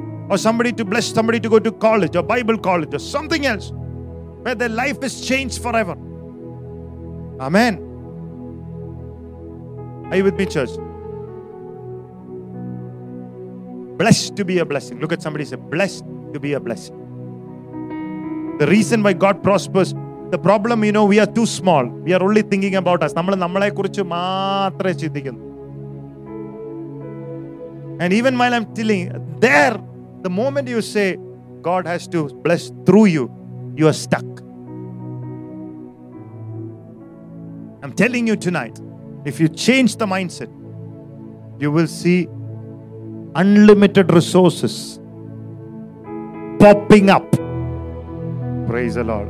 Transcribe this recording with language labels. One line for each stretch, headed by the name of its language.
English: Or somebody to bless somebody to go to college, or Bible college, or something else, where their life is changed forever. Amen. Are you with me, church? Blessed to be a blessing. Look at somebody and say, blessed to be a blessing. The reason why God prospers, the problem, you know, we are too small. We are only thinking about us.
Malayalam: നമ്മൾ നമ്മളെ കുറിച്ച് മാത്രമേ ചിന്തിക്കുന്നു.
English: And even while I'm telling, there, the moment you say, God has to bless through you are stuck. I'm telling you tonight, if you change the mindset, you will see unlimited resources popping up. Praise the Lord.